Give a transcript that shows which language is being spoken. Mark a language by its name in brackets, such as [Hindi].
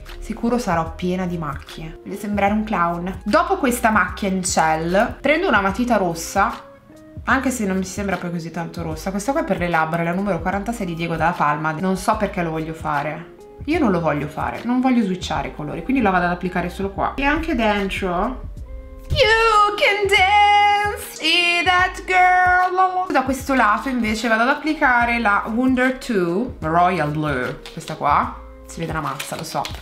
[Italian] Sicuro sarò piena di macchie. Voglio sembrare un clown. Dopo questa macchia in gel, prendo una matita rossa. Anche se non mi sembra poi così tanto rossa. Questa qua è per le labbra, la numero 46 di Diego Dalla Palma. Non so perché lo voglio fare. Io non lo voglio fare. Non voglio switchare i colori. Quindi la vado ad applicare solo qua. E anche dentro. [English] You can dance, see that girl. [Italian] Da questo lato invece vado ad applicare la Wonder 2 Royal Blue. Questa qua. Si vede una mazza, lo so.